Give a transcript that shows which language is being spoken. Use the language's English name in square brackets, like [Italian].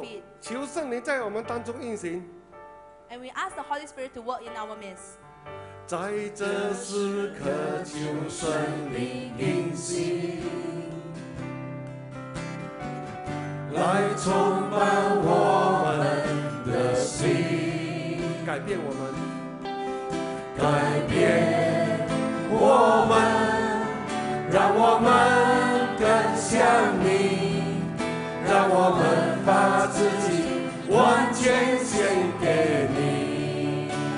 [Chinese] 来，我们一起起立来，来宣告，求圣灵在我们当中运行。 [English] And we ask the Holy Spirit to work in our midst. [Chinese] 在这时刻，求圣灵运行，来充满我们的心，改变我们，让我们更像你，让我们把自己完全献给你。